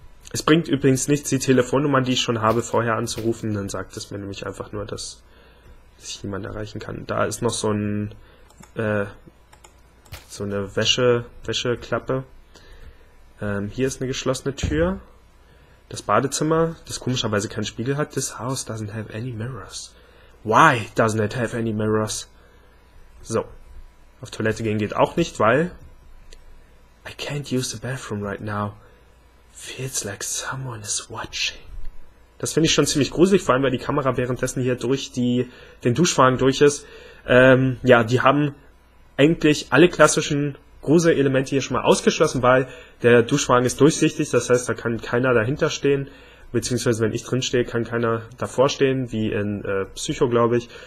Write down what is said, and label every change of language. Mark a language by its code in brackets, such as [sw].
[de] Es bringt übrigens nichts, die Telefonnummer, die ich schon habe, vorher anzurufen, dann sagt es mir nämlich einfach nur, dass sich niemand erreichen kann. Da ist noch so ein so eine Wäscheklappe. Hier ist eine geschlossene Tür. Das Badezimmer, das komischerweise keinen Spiegel hat. [en] This house doesn't have any mirrors. Why doesn't it have any mirrors? So. [de] Auf Toilette gehen geht auch nicht, weil... [en] I can't use the bathroom right now. Feels like someone is watching. [de] Das finde ich schon ziemlich gruselig, vor allem weil die Kamera währenddessen hier durch den Duschwagen durch ist. Ja, die haben eigentlich alle klassischen Gruselelemente hier schon mal ausgeschlossen, weil der Duschwagen ist durchsichtig, das heißt, da kann keiner dahinter stehen, beziehungsweise wenn ich drin stehe, kann keiner davor stehen, wie in Psycho, glaube ich.